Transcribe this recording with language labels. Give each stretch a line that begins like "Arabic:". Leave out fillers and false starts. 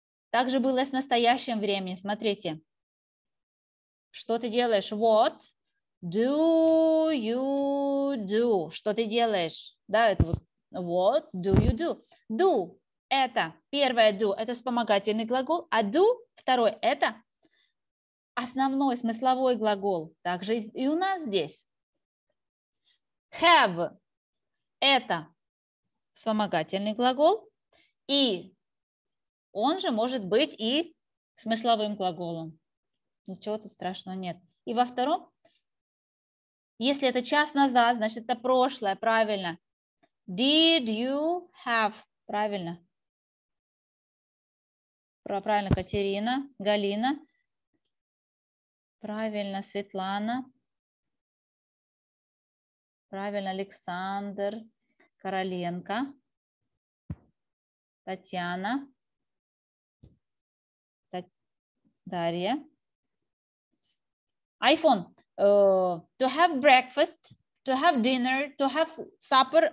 Russian: Так же было с настоящим временем. Смотрите. Что ты делаешь?
English: What do you
Russian: do? Что ты делаешь? Да, это вот
English: what do you do?
Russian: Do – это первое do – это вспомогательный глагол, а do – второй – это основной смысловой глагол. Также и у нас здесь. Have – это вспомогательный глагол, и он же может быть и смысловым глаголом. Ничего тут страшного нет. И во втором, если это час назад, значит, это прошлое, правильно.
English: Did you have?
Russian: Правильно. Правильно, Катерина, Галина. Правильно, Светлана. Правильно, Александр, Короленко, Татьяна, Дарья. iPhone.
English: To have breakfast, to have dinner, to have supper.